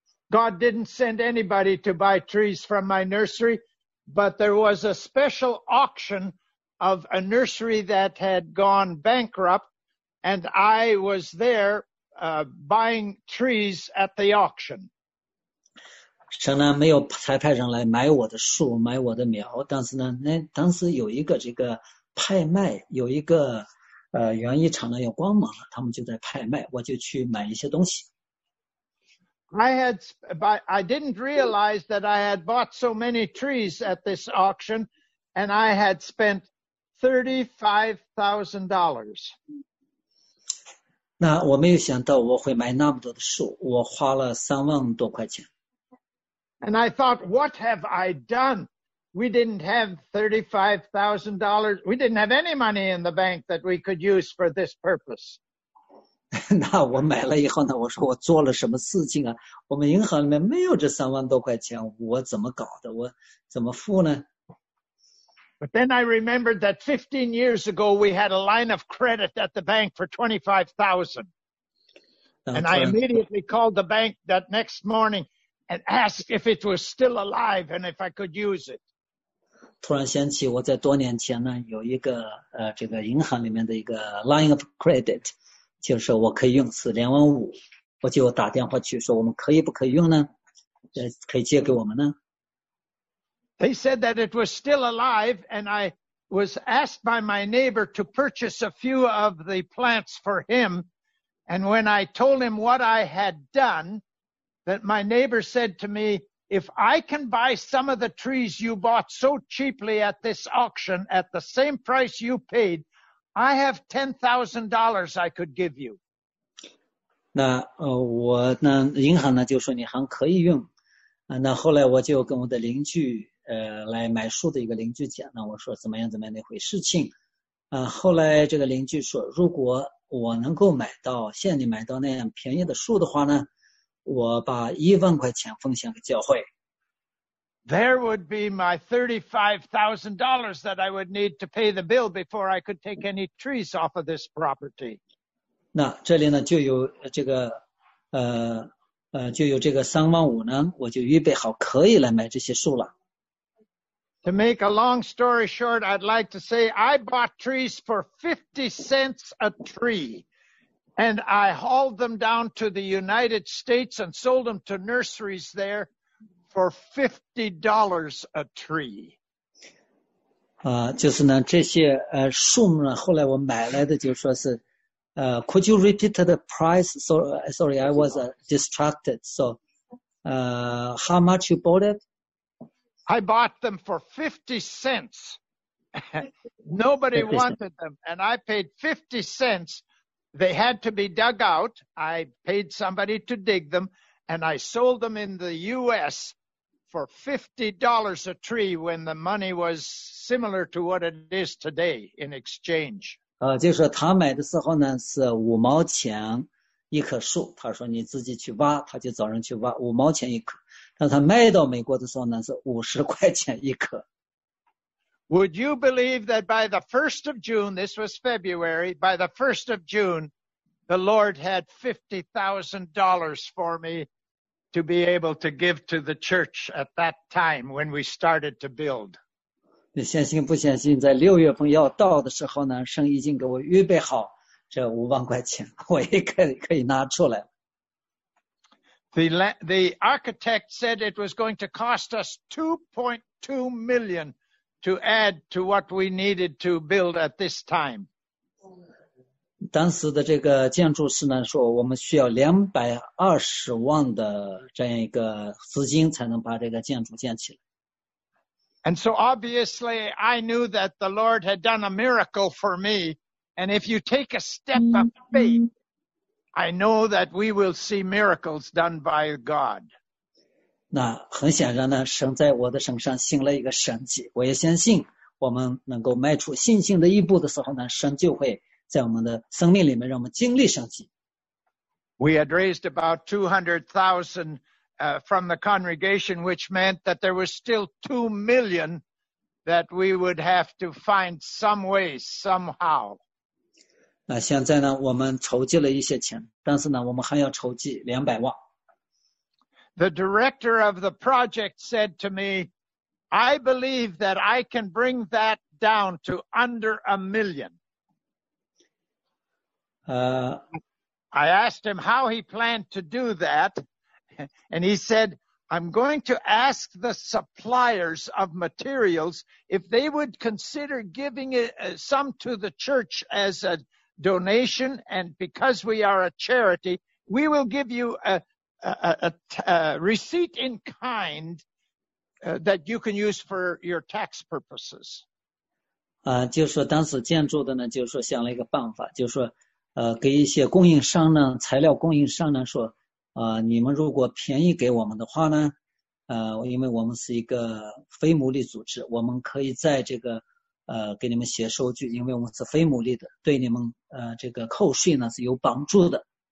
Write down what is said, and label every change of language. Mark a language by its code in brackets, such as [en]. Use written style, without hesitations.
[en] God didn't send anybody to buy trees from my nursery, but there was a special auction of a nursery that had gone bankrupt, and I was there. Buying trees at the auction. [zh] 神呢没有差派人来买我的树，买我的苗，但是呢，那当时有一个这个拍卖，有一个园艺场呢有光芒了，他们就在拍卖，我就去买一些东西。 [en] I didn't realize that I had bought so many trees at this auction, and I had spent $35,000. [zh] 那我没有想到我会买那么多的树，我花了30,000多块钱。 [en] And I thought, what have I done? We didn't have $35,000. We didn't have any money in the bank that we could use for this purpose. [zh] 那我买了以后呢，我说我做了什么事情啊？我们银行里面没有这30,000多块钱，我怎么搞的？我怎么付呢？ [en] But then I remembered that 15 years ago, we had a line of credit at the bank for $25,000. And I immediately called the bank that next morning and asked if it was still alive and if I could use it. [zh] 突然想起我在多年前呢，有一个这个银行里面的一个 line of credit, 就是我可以用是25,000。我就打电话去说我们可以不可以用呢？可以借给我们呢？ [en] They said that it was still alive, and I was asked by my neighbor to purchase a few of the plants for him. And when I told him what I had done, that my neighbor said to me, if I can buy some of the trees you bought so cheaply at this auction at the same price you paid, I have $10,000 I could give you. [zh] 那我那银行呢就说你还可以用，那后来我就跟我的邻居。来买树的一个邻居讲，那我说怎么样那回事情，后来这个邻居说，如果我能够买到像你买到那样便宜的树的话呢，我把10,000块钱奉献给教会。 [en] There would be my $35,000 that I would need to pay the bill before I could take any trees off of this property. [zh] 那这里呢就有这个就有这个35,000呢，我就预备好可以来买这些树了。 [en] To make a long story short, I'd like to say I bought trees for 50 cents a tree, and I hauled them down to the United States and sold them to nurseries there for $50 a tree. [zh] 就是呢这些树木呢后来我买来的就是说是 [en] could you repeat the price? Sorry, I was distracted. So, how much you bought it? I bought them for 50 cents. Nobody wanted them. And I paid 50 cents. They had to be dug out. I paid somebody to dig them. And I sold them in the U.S. for $50 a tree when the money was similar to what it is today in exchange. [zh] 就是说他买的时候呢是五毛钱一棵树，他说你自己去挖，他就找人去挖，五毛钱一棵。但他卖到美国的时候呢是五十块钱一棵。 [en] Would you believe that by the 1st of June, this was February, by the 1st of June, the Lord had $50,000 for me to be able to give to the church at that time when we started to build? [zh] 你相信不相信在六月份要到的时候呢神已经给我预备好这五万块钱我也可以拿出来。 [en] The architect said it was going to cost us $2.2 million to add to what we needed to build at this time. [zh] 当时的这个建筑师呢说我们需要220万的这样一个资金才能把这个建筑建起来。 [en] And so obviously I knew that the Lord had done a miracle for me. And if you take a step of faith, I know that we will see miracles done by God. [zh] 那很显然呢，神在我的身上行了一个神迹。我也相信我们能够迈出信心的一步的时候呢，神就会在我们的生命里面让我们经历神迹。 [en] We had raised about 200,000from the congregation, which meant that there was still $2 million that we would have to find some way, somehow. [zh] 那现在呢，我们筹集了一些钱，但是呢，我们还要筹集200万。 [en] The director of the project said to me, I believe that I can bring that down to under $1 million. I asked him how he planned to do that. And he said, I'm going to ask the suppliers of materials if they would consider giving some to the church as a donation. And because we are a charity, we will give you a receipt in kind that you can use for your tax purposes. [zh] 就是说当时建筑的呢，就是说想了一个办法，就是说给一些供应商呢，材料供应商呢说你们如果便宜给我们的话呢因为我们是一个非牟利组织，我们可以在这个给你们写收据，因为我们是非牟利的，对你们这个扣税呢是有帮助的。